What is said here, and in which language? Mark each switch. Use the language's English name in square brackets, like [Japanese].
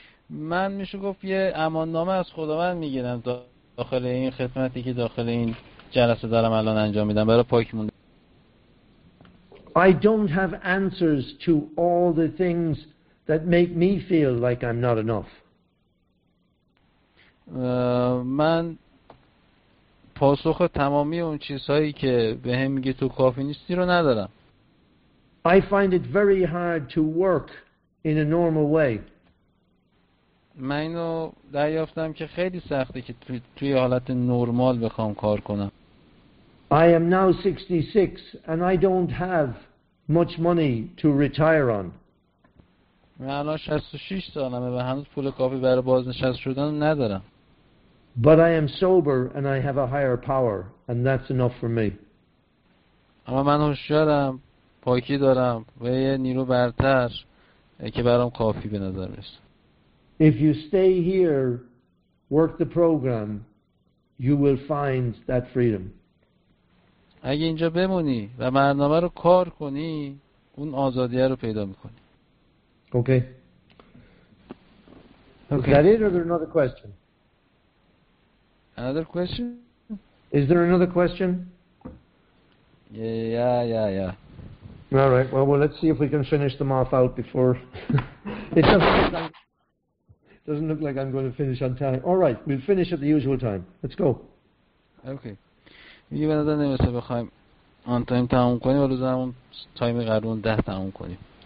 [Persian] من میشه گفت یه اماننامه از خداوند میگیرم داخل این خدمتی که داخل این جلسه دارم الان انجام میدم برای پاک موندن. [English] I don't have answers to all the things that make me feel like I'm not enough. [Persian] من پاسخ تمامی اون چیزهایی که بهم میگه تو کافی نیستی رو ندارم. [English] I find it very hard to work in a normal way. [Persian] من اینو دریافتم که خیلی سخته که توی حالت نرمال بخوام کار کنم. [English] I am now 66 and I don't have much money to retire on. [Persian] من الان 66 سالمه و هنوز پول کافی برای بازنشسته شدن ندارم. [English] But I am sober and I have a higher power and that's enough for me. [Persian] اما من هوشیارم. پاکی دارم و یه نیرو برتر که برام کافی به نظر میرسه. [English] If you stay here, work the program, you will find that freedom. [Persian] اگه اینجا بمونی و برنامه رو کار کنی، اون آزادی رو پیدا میکنی. [English] Okay. Okay. Is that it or is there another question? Another question? Is there another question? Yeah. All right. Well, let's see if we can finish them off out before. It doesn't look like I'm going to finish on time. All right. We'll finish at the usual time. Let's go. Okay. [Persian] میگه بنده نمیسته بخوایم [English] on time [Persian] تموم کنیم و روزمون تایم قرون 10 تموم کنیم.